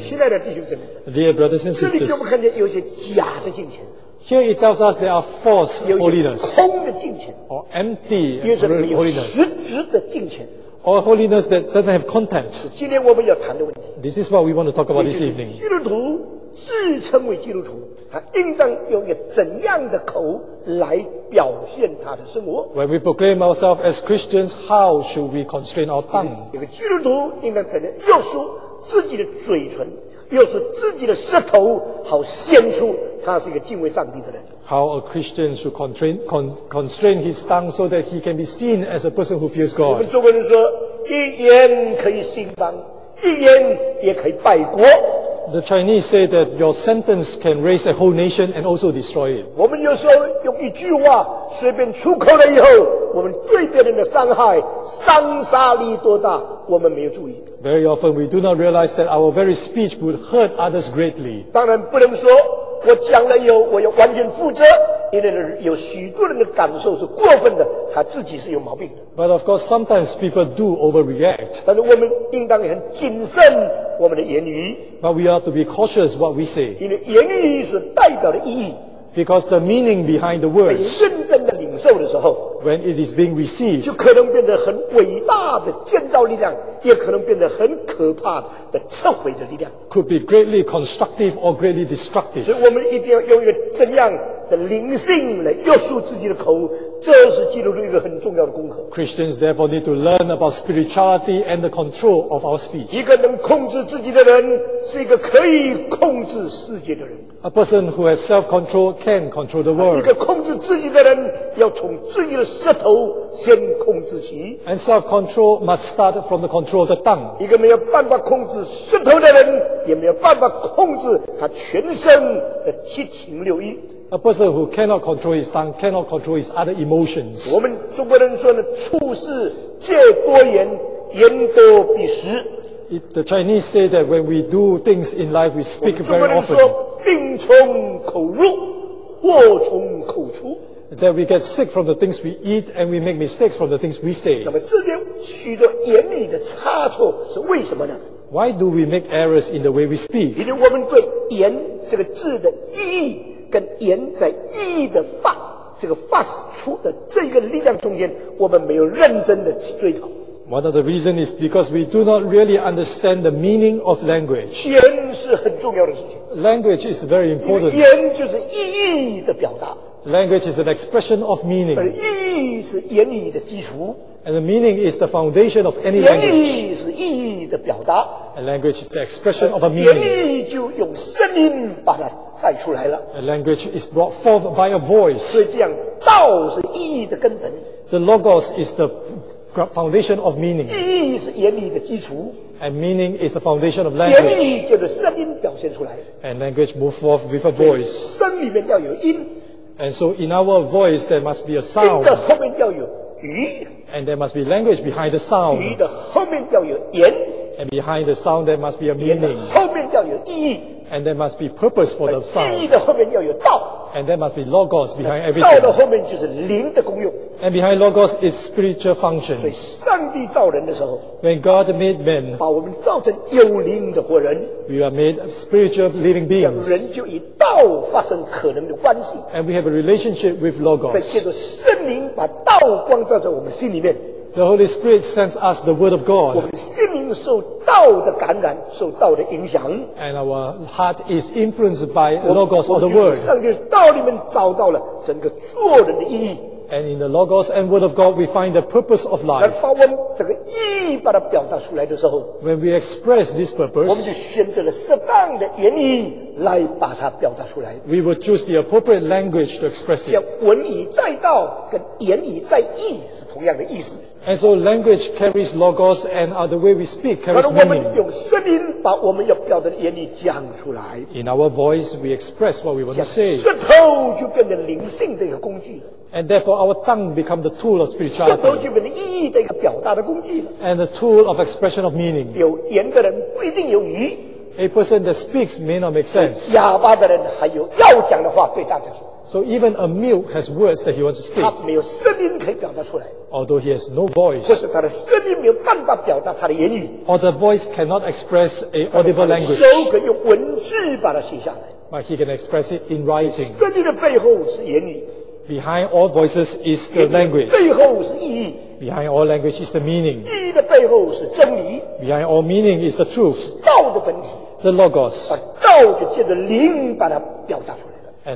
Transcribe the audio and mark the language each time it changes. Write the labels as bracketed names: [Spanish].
[Chinese] 现在的弟兄姊妹 [English] ，Dear brothers and sisters， [Chinese] 这里就会看见有些假的敬虔。 [English] Here it tells us there are false holiness， [Chinese] 有些空的敬虔 [English] ，or empty holiness， [Chinese] 有些没有实质的敬虔 [English] ，or holiness that doesn't have content。 [Chinese] 今天我们要谈的问题 [English] ，This is what we want to talk about this evening。 [Chinese] 基督徒自称为基督徒，他应当用一个怎样的口来表现他的生活 [English] ？When we proclaim ourselves as Christians, how should we constrain our tongue？ [Chinese] 一个基督徒应当怎样？又说自己的嘴唇，又说自己的舌头，好显出他是一个敬畏上帝的人。 [English] How a Christian should constrain his tongue so that he can be seen as a person who fears God？ [Chinese] 我们中国人说，一言可以兴邦，一言也可以败国。 [English] The Chinese say that your sentence can raise a whole nation and also destroy it. [Chinese] 我们有时候用一句话随便出口了以后，我们对别人的伤害，伤杀力多大，我们没有注意。 [English] Very often we do not realize that our very speech would hurt others greatly. [Chinese] 当然不能说我讲了以后我要完全负责，因为有许多人的感受是过分的，他自己是有毛病的。 [English] But of course, sometimes people do overreact. [Chinese] 但是我们应当很谨慎我们的言语。 [English] But we are to be cautious what we say. [Chinese] 因为言语所代表的意义。 [English] Because the meaning behind the words. [Chinese] 被认真的领受的时候。 [English] When it is being received. [Chinese] 就可能变得很伟大的建造力量，也可能变得很可怕的摧毁的力量。 [English] Could be greatly constructive or greatly destructive. [Chinese] 所以我们一定要用一个怎样的灵性来约束自己的口，这是基督徒一个很重要的功课。 [English] Christians therefore need to learn about spirituality and the control of our speech. [Chinese] 一个能控制自己的人是一个可以控制世界的人。 [English] A person who has self-control can control the world. [Chinese] 一个控制自己的人要从自己的舌头先控制起。 [English] And self-control must start from the control of the tongue. [Chinese] 一个没有办法控制舌头的人，也没有办法控制他全身的七情六欲。 [English] A person who cannot control his tongue cannot control his other emotions. [Chinese] 我们中国人说呢，处事戒多言，言多必失。 [English] The Chinese say that when we do things in life, we speak very often. [Chinese] 中国人说，病从口入，祸从口出。 [English] That we get sick from the things we eat and we make mistakes from the things we say. [Chinese] 那么这些许多言语的差错是为什么呢？ [English] Why do we make errors in the way we speak? [Chinese] 因为我们对言这个字的意义跟言在意义的发这个发出的这个力量中间，我们没有认真的去追讨。 [English] One of the reasons is because we do not really understand the meaning of language. [Chinese] 言是很重要的事情。 [English] Language is very important. [Chinese] 言就是意义的表达。 [English] Language is an expression of meaning. [Chinese] 而意义是言语的基础。 [English] And the meaning is the foundation of any language. [Chinese] 言语是意义的表达。 [English] And language is the expression of a meaning. [Chinese] 言语就用声音把它带出来了。 [English] A language is brought forth by a voice. [Chinese] 所以这样，道是意义的根本。 [English] The logos is the foundation of meaning. [Chinese] 意义是言语的基础。 [English] And meaning is the foundation of language. [Chinese] 言语就是声音表现出来。 [English] And language moves forth with a voice. [Chinese] 声里面要有音。 [English] And so in our voice there must be a sound. [Chinese] 音的后面要有语。 [English] And there must be language behind the sound. [Chinese] 语的后面要有言。 [English] And behind the sound there must be a meaning. [Chinese] 言的后面要有意义。 [English] And there must be purpose for the sound. [Chinese] 意义的后面要有道。 [English] And there must be logos behind everything. [Chinese] 道的后面就是灵的功用。 [English] And behind logos is spiritual functions. [Chinese] 所以上帝造人的时候。 [English] When God made men. [Chinese] 把我们造成有灵的活人。 [English] We are made spiritual living beings. [Chinese] 人就以道发生可能的关系。 [English] And we have a relationship with logos. [Chinese] 再借着圣灵把道光照在我们心里面。 [English] The Holy Spirit sends us the Word of God. [Chinese] 我们心灵受道的感染，受道的影响。 [English] And our heart is influenced by logos or the Word. [Chinese] 我们就从上帝的道里面找到了整个做人的意义。 [English] And in the logos and word of God, we find the purpose of life. [Chinese] 把我们这个意义把它表达出来的时候 [English] ，When we express this purpose, [Chinese] 我们就选择了适当的言语来把它表达出来。 [English] We will choose the appropriate language to express it. [Chinese] 像文以载道跟言以载义是同样的意思。 [English] And so language carries logos, and the way we speak carries meaning. [Chinese] 我们用声音把我们要表达的言语讲出来。 [English] In our voice, we express what we want to say. [Chinese] 舌头就变成灵性的一个工具。 [English] And therefore, our tongue becomes the tool of spirituality. [Chinese] 舌头就变成意义的一个表达的工具。 [English] And the tool of expression of meaning. [Chinese] 有言的人不一定有语。 [English] A person that speaks may not make sense. [Chinese] 哑巴的人还有要讲的话对大家说。 [English] So even a mute has words that he wants to speak. [Chinese] 他没有声音可以表达出来。 [English] Although he has no voice. [Chinese] 或者他的声音没有办法表达他的言语。 [English] Or the voice cannot express a audible language. [Chinese] 他的手可以用文字把它写下来。 [English] But he can express it in writing. [Chinese] 声音的背后是言语。 [English] Behind all voices is the language. [Chinese] 背后是意义。 [English] Behind all language is the meaning. [Chinese] 意义的背后是真理。 [English] Behind all meaning is the truth. [Chinese] 是道的本体。 [English] The logos. [Chinese] 把道就借着灵把它表达出来了。